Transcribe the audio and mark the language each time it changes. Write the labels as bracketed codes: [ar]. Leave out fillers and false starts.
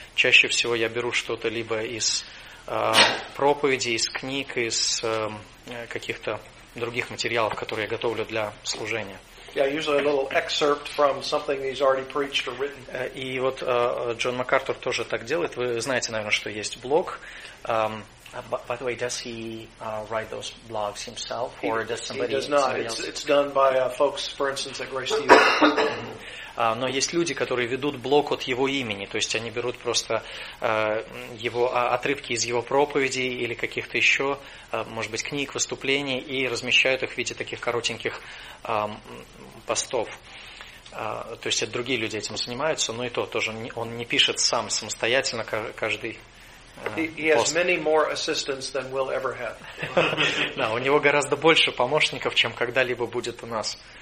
[ru] Чаще всего я беру что-то либо из проповедей, из книг, из каких-то других материалов, которые я готовлю для служения. [en] Yeah, usually a little excerpt from something he's already preached or written. [ru] И вот Джон МакАртур тоже так делает. Вы знаете, наверное, что есть блог. [en] By the way, does he write those blogs himself, or does somebody? He does not. It's done by folks, for instance, at Grace TV. [ru] Но есть люди, которые ведут блог от его имени, то есть они берут просто его отрывки из его проповедей или каких-то еще, может быть, книг, выступлений, и размещают их в виде таких коротеньких постов. То есть это другие люди этим занимаются, но и то тоже он не пишет сам самостоятельно каждый пост. [en] He has many more assistants than we'll ever have. [ru] Да, у него гораздо больше помощников, чем когда-либо будет у нас.